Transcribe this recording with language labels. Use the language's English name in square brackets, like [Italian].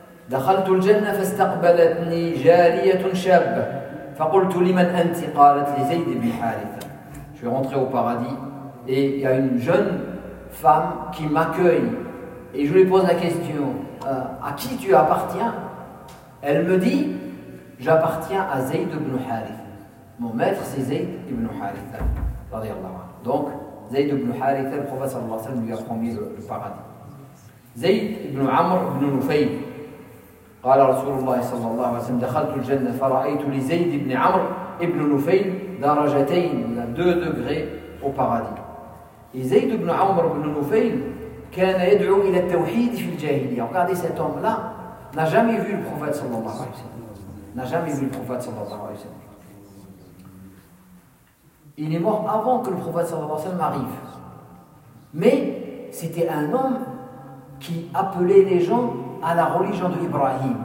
[Arabic] دخلت الجنة فاستقبلتني جارية شابة فقلت لمن أنت قالت لزيد بن حارثة. [French] Je suis rentré au paradis et il y a une jeune femme qui m'accueille et je lui pose la question à qui tu appartiens? Elle me dit j'appartiens à Zayd ibn Haritha. Mon maître c'est Zayd ibn Haritha [Arabic] رضي الله عنه. [French] Donc Zayd ibn Haritha, le prophète [Arabic] صلى الله عليه وسلم [French] lui a promis le paradis. Zayd ibn Amr ibn Nufayl. [Arabic] قال رسول الله صلى الله عليه وسلم دخلت الجنة فرأيت لزيد بن عمرو ابن نفيل درجتين [French] 2 degrés au paradis. Et Zayd ibn Amr ibn Nufayl [Arabic] كان يدعو إلى التوحيد في الجاهلية. [French] Regardez cet homme là n'a jamais vu le prophète sallallahu alayhi wa sallam. N'a jamais vu le prophète sallallahu alayhi wa sallam. Il est mort avant que le prophète sallallahu alayhi wa sallam arrive. Mais c'était un homme qui appelait les gens à la religion de Ibrahim.